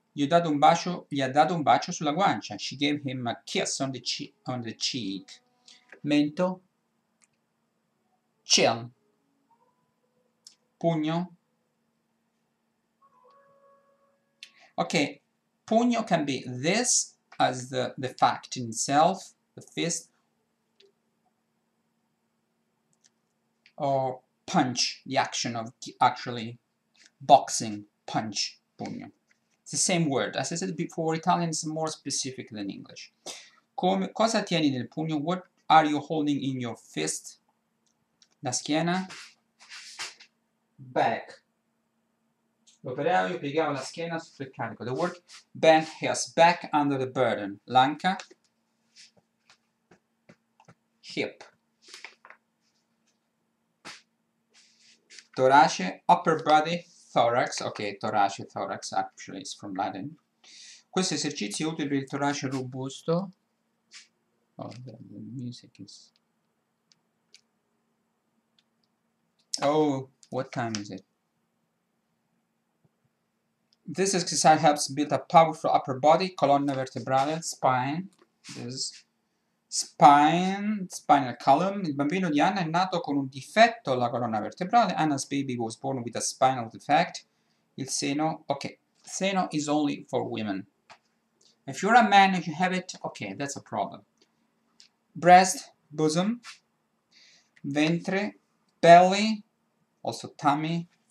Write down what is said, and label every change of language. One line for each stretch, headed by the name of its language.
Italian: Gli ho dato un bacio, gli ha dato un bacio sulla guancia.
English: She gave him a kiss on the cheek. Mento, chin. Pugno. Okay, pugno can be this as the fact in itself, the fist, or punch, the action of actually boxing, punch. Pugno. It's the same word. As I said before, Italian is more specific than English.
Italian: Cosa tieni nel pugno?
English: What are you holding in your fist? La schiena. Back.
Italian: L'operaio piegava la schiena sul carico.
English: The work bent his back under the burden.
Italian: L'anca.
English: Hip. Torace. Upper body. Thorax, ok, torace, thorax, actually, it's from Latin.
Italian: Questo esercizio è utile per il torace robusto.
English: Oh, the music is... Oh, what time is it? This exercise helps build a powerful upper body, colonna vertebrale, spine. This spine, spinal column.
Italian: Il bambino di Anna è nato con un difetto alla colonna vertebrale.
English: Anna's baby was born with a spinal defect. Il seno, okay. Seno is only for women. If you're a man and you have it, okay, that's a problem. Breast, bosom. Ventre, belly. Also tummy.